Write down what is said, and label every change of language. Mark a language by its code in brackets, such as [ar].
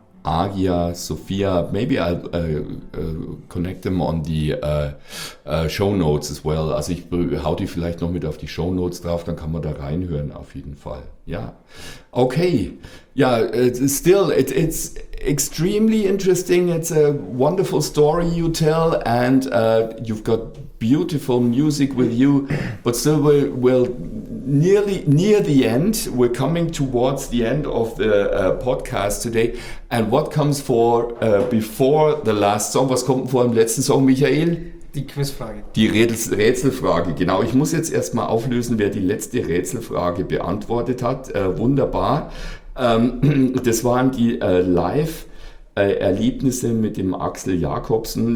[en] Agia, Sophia, maybe I'll connect them on the show notes as well. [de] Also ich hau die vielleicht noch mit auf die Show Notes drauf, dann kann man da reinhören auf jeden Fall. Ja, okay. [en] Ja, it's extremely interesting. It's a wonderful story you tell, and you've got beautiful music with you. But still, we're near the end. We're coming towards the end of the podcast today. And what comes for before the last song? [de] Was kommt vor dem letzten Song, Michael? Die Quizfrage. Die Rätselfrage, genau. Ich muss jetzt erstmal auflösen, wer die letzte Rätselfrage beantwortet hat. Wunderbar. Das waren die Live-Erlebnisse mit dem Axel Jacobsen.